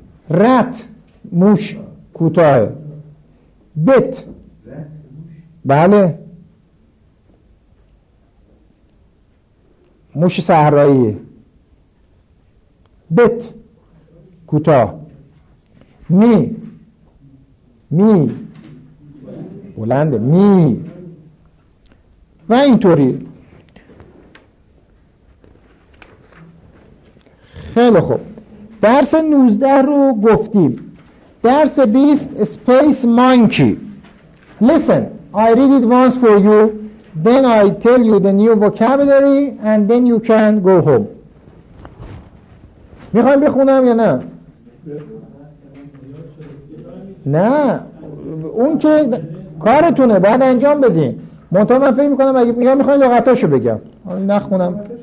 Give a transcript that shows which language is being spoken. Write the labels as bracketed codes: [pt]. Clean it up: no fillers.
[fa] رت موش کوتاه، بت بله موش صحرایی، بت کوتاه، می، می بلنده، می و اینطوری. خیلی خوب، درس 19 رو گفتیم، درس 20 اسپیس مانکی. [en] Listen, I read it once for you, then I tell you the new vocabulary and then you can go home. [fa] میخوام بخونم یا نه؟ نه اون که کارتونه، بعد انجام بدین. منتها من فکر میکنم اگه میگم میخواین لغتاشو بگم، نخونم.